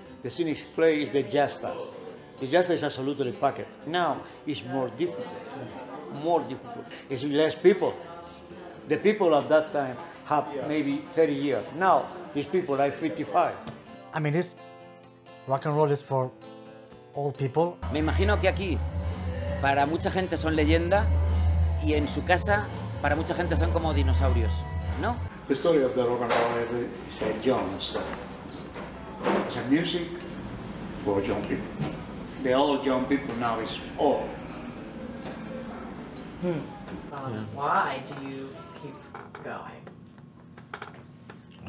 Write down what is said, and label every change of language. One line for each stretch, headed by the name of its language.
English: the CYNICS play is the jesta. The jesta is absolutely packed. Now it's more difficult. More difficult. It's less people. The people at that time have maybe 30 years. Now these people are 55. I mean, this rock and roll is for old people.
Spanish: Me imagino que aquí para mucha gente son leyenda y en su casa para mucha gente son como dinosaurios, ¿no?
English: The story of the rock and roll is a young song. It's a music for young people. The old young people now is old. Why do you keep going?